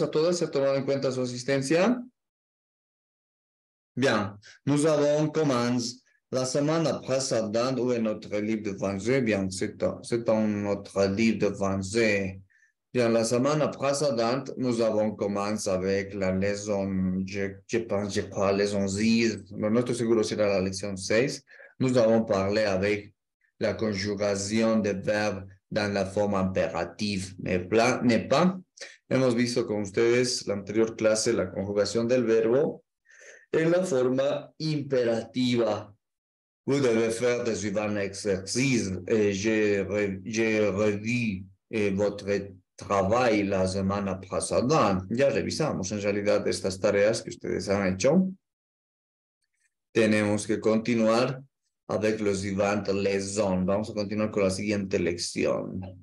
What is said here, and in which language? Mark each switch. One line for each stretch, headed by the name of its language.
Spanish: ¿A todas? ¿Se ha tomado en cuenta su asistencia? Bien.
French: Nous avons commencé la semaine pasada où est notre livre de français. Bien, c'est un autre livre de français. Bien, la semaine pasada, nous avons commencé avec la leçon, je pense, je crois, la leçon 6.
Spanish: No, no estoy seguro si era la leçon 6.
French: Nous avons parlé avec
Spanish: la conjugación de verbos en la forma imperativa, ¿no? Hemos visto con ustedes la anterior clase la conjugación del verbo en la forma imperativa.
French: Vous devez faire de suivant exercice. J'ai revu votre travail
Spanish: la semana pasada. Ya revisamos en realidad estas tareas que ustedes han hecho. Tenemos que continuar.
French: Avec le suivant leçon.
Spanish: Vamos a continuar con la siguiente lección.